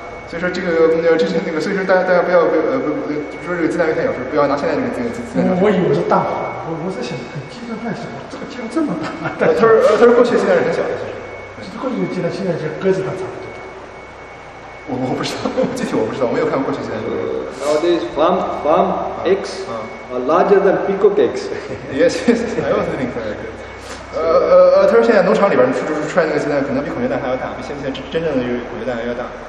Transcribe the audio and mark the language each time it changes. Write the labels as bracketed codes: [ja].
[zh] 所以说所以说大家不要说这个鸡蛋太小，不要拿现在这个鸡蛋。我以为是大，我在想鸡蛋太小，这个鸡蛋这么大。他说过去鸡蛋是很小的。过去鸡蛋现在是鸽子蛋差不多大，我不知道，具体我不知道，我没有看过去鸡蛋。 [en] Nowadays farm eggs are larger than peacock eggs. Yes, I was thinking that. [zh] 他说现在农场里边出来那个鸡蛋可能比孔雀蛋还要大，比现在真正的孔雀蛋还要大。